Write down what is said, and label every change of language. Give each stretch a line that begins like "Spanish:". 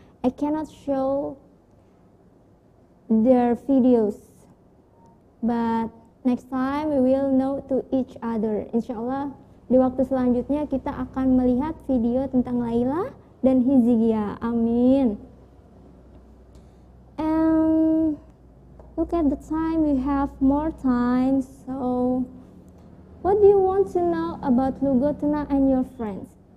English: I cannot show their videos, but next time we will know to each other.
Indonesian: Insyaallah di waktu selanjutnya kita akan melihat video tentang Layla dan Hizigia. Amin.
English: And look at the time, we have more time. So, what do you want to know about Lugo Tuna and your friends?